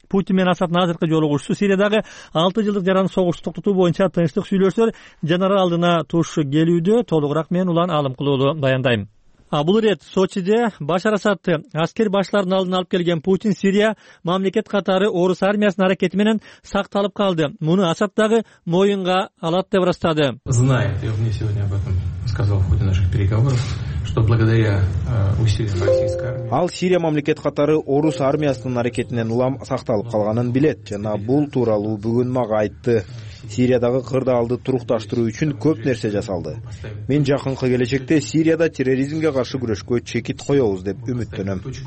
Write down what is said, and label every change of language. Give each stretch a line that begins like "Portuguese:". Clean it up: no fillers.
Kyrgyz: Путин менен Асадтын азыркы жолугушуусу Сириядагы 6 жылдык жаран согушту токтотуу боюнча тынчтык сүйлөшүүлөр жанара алдына туш келүүдө. Толугураак мен Улан Алымкулуулу баяндайм. Бул ирет Сочиде Башар Асадды аскер башчылардын алдына алып келген Путин Сирия мамлекет катары орус армиясынын аракети менен сакталып калды. Муну Асад дагы моюнга алат деп ырастады.
Russian: Знает, я мне сегодня об этом сказал в ходе наших переговоров.
Kyrgyz: Ал Сирия мамлекет катары орус армиясынын аракетинен улам сакталып калганын билет жана бул тууралуу бүгүн мага айтты. Сириядагы кырдаалды турукташтыруу үчүн көп нерсе жасалды. Мен жакынкы келечекте Сирияда терроризмге каршы күрөшкө чекит коебуз деп үмүттөнөм.